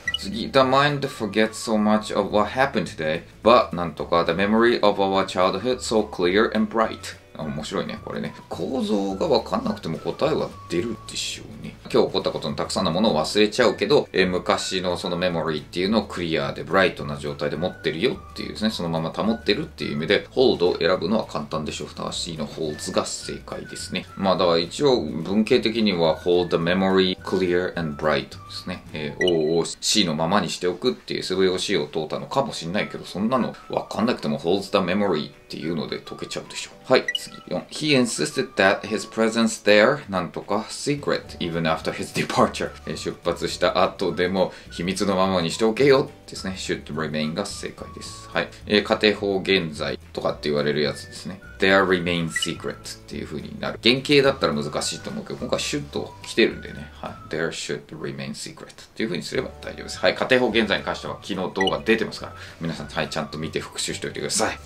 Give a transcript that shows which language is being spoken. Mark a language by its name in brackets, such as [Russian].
[Japanese] 次、 [English] The mind forgets so much of what happened today, but [Japanese] なんとか [English] The memory of our childhood so clear and bright. [Japanese] 面白いね、これね。構造が分かんなくても答えは出るでしょうね。今日起こったことのたくさんのものを忘れちゃうけど、昔のそのメモリーっていうのをクリアでブライトな状態で持ってるよっていうですね、そのまま保ってるっていう意味で、hold を選ぶのは簡単でしょう。正しいの holds が正解ですね。まあだから一応文型的には [English] hold the memory clear and bright [Japanese] ですね。 O を C のままにしておくっていう SVOC を問うたのかもしれないけど、そんなの分かんなくても [English] holds the memory [Japanese] っていうので解けちゃうでしょう。はい、次4。 [English] He insisted that his presence there [Japanese] なんとか [English] secret evenAfter his departure. [Japanese] 出発した後でも秘密のままにしておけよですね。 [English] Should remain [Japanese] が正解です。はい、仮定法現在とかって言われるやつですね。 [English] There remain secret [Japanese] っていう風になる。原型だったら難しいと思うけど、今回 Should 来てるんでね、はい、 [English] There should remain secret [Japanese] っていう風にすれば大丈夫です。はい、仮定法現在に関しては昨日動画出てますから、皆さん、はい、ちゃんと見て復習しておいてください。